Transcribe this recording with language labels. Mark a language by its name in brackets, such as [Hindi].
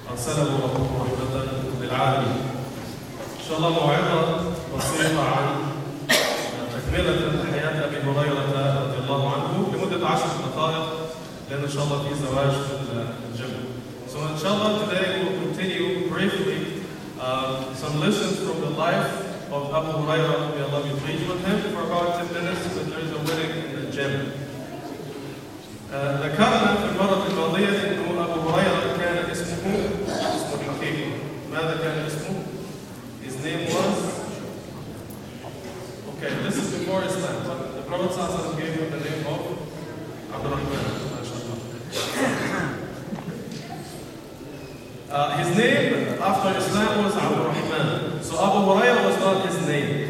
[Arabic] حسنا وربكم رحمة للعالمين. إن شاء الله موعظة بسيطة عن تكملة حياة أبي هريرة رضي الله عنه لمدة 10 دقائق، لأن إن شاء الله في زواج في الجنة. [English] So inshallah today we'll continue briefly some lessons from the life of Abu Hurairah, may Allah be pleased with him, for about 10 minutes because there is a wedding in the gym. [Arabic] ذكرنا في المرة الماضية أن أبو هريرة كان اسمه اسم الحقيقي. ماذا كان اسمه؟ [English] His name was. Okay, this is before Islam. The Prophet [Arabic] صلى الله عليه وسلم [English] gave him the name of عبد الرحمن. [Arabic] ما شاء الله. [English] His name after Islam was عبد الرحمن. So Abu Hurairah was not his name.